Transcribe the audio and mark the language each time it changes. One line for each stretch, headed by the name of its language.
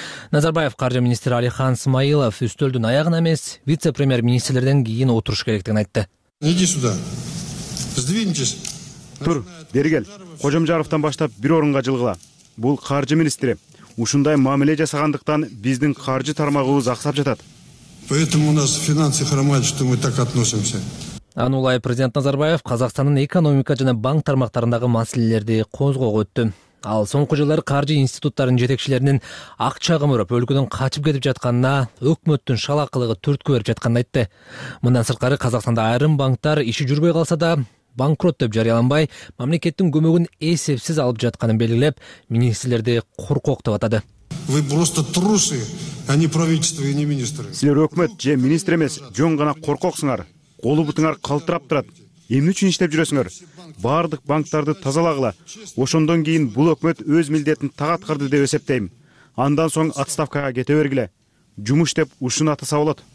Kyrgyz: Назарбаев каржы министри Алихан Смаилов үстөлдүн аягына эмес вице-премьер-министрлерден кийин отуруш керектигин айтты.
Russian: Иди сюда. Сдвиньтесь.
Kyrgyz: Тур, бери кел. Кожомжаровдон баштап бир орунга жылгыла. Бул каржы министри. Ушундай мамиле жасагандыктан биздин каржы тармагыбыз аксап жатат.
Russian: Поэтому у нас финансы хромают, что мы так относимся.
Kyrgyz: Анулай президент Назарбаев Казахстандын экономика жана банк тармактарындагы маселелерди козгоого өттү. Ал соңку жылдары каржы институттарынын жетекчилеринин акча кымырып өлкөдөн качып кетип жатканына өкмөттүн шалакылыгы түрткү берип жатканын айтты. Мындан сырткары Казахстанда айрым банктар иши жүрбөй калса да банкрот деп жарыяланбай мамлекеттин көмөгүн эсепсиз алып жатканын белгилеп министрлерди коркок деп атады.
Russian: Вы просто трусы, а не правительство и не министры.
Kyrgyz: Силер өкмөт же министр эмес, жөн гана коркоксуңар. Колубутуңар калтырап турат. Эмне үчүн иштеп жүрөсүңөр? Бардык банктарды тазалагыла. Ошондон кийин бул өкмөт өз милдетин таткарды деп эсептейм. Андан соң отставкага кете бергиле. Жумуш деп ушуну атаса болот.